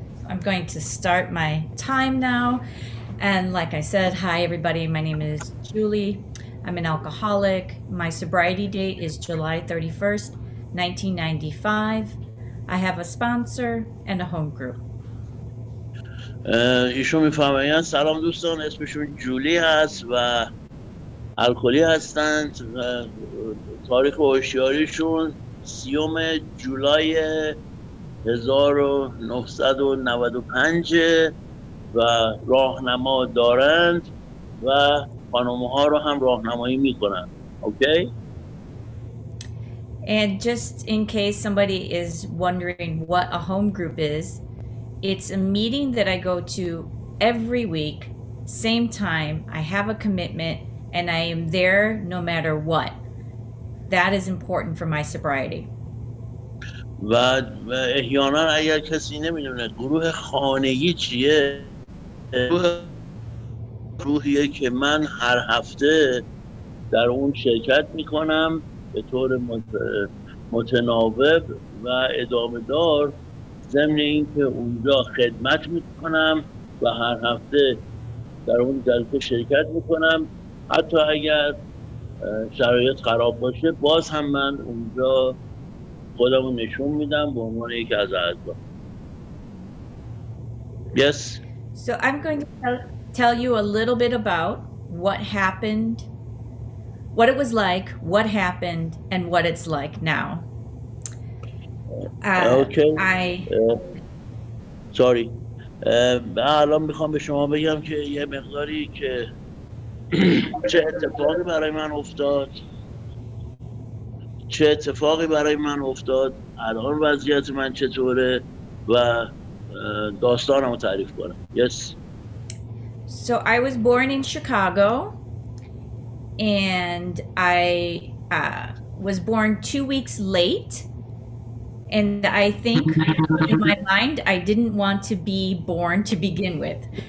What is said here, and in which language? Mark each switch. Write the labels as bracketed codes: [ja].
[en] I'm going to start my time now. And like I said, hi, everybody. My name is Julie. I'm an alcoholic. My sobriety date is July 31st, 1995. I have a sponsor and a home group. [fa] ایشون میفرمایند سلام دوستان، اسمشون جولی هست و الکلی هستند. تاریخ هوشیاریشون 30 جولای 1995 و راهنما دارند و خانمها رو هم راهنمایی میکنن. [en] Okay. And just in case somebody is wondering what a home group is, it's a meeting that I go to every week, same time, I have a commitment, and I am there no matter what. That is important for my sobriety. [fa] و احیانا اگر کسی نمیدونه گروه خانگی چیه، روحیه که من هر هفته در اون شرکت میکنم به طور متناوب و ادامه دار، ضمن اینکه اونجا خدمت میکنم و هر هفته در اون جلسه شرکت میکنم، حتی اگر شرایط خراب باشه باز هم من اونجا خودم رو نشون میدم به عنوان یکی از اعضا. [en] Yes. So I'm going to tell you a little bit about what happened, what it was like, what happened, and what it's like now. Okay. Sorry. [fa] الان میخوام به شما بگم که یه مقداری که چه اتفاقی برای من افتاد. چه اتفاقی برای من افتاد. الان وضعیت من چطوره و داستانمو تعریف کنم. [en] Yes. So I was born in Chicago, and I was born 2 weeks late, and I think in my mind I didn't want to be born to begin with.